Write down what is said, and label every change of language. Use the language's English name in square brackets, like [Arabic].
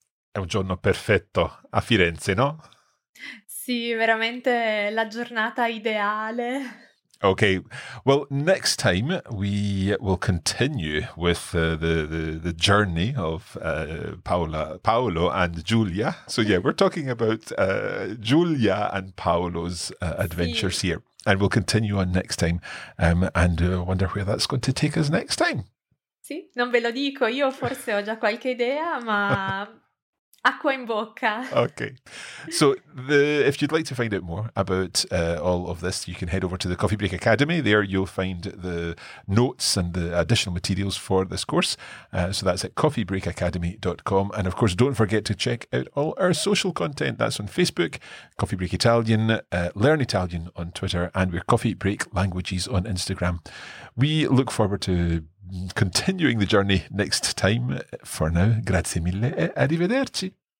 [Italian] È un giorno perfetto a Firenze, no? Sì, veramente la giornata ideale. [English] Okay, well, next time we will continue with the journey of Paolo and Giulia. So yeah, we're talking about Giulia and Paolo's adventures here. And we'll continue on next time wonder where that's going to take us next time. [Italian] Sì, non ve lo dico, io forse ho già qualche idea, ma... Acqua in bocca. [English] Okay. So if you'd like to find out more about all of this, you can head over to the Coffee Break Academy. There you'll find the notes and the additional materials for this course. So that's at coffeebreakacademy.com. And of course, don't forget to check out all our social content. That's on Facebook, Coffee Break Italian, Learn Italian on Twitter, and we're Coffee Break Languages on Instagram. We look forward to continuing the journey next time. For now, [Italian] grazie mille e arrivederci.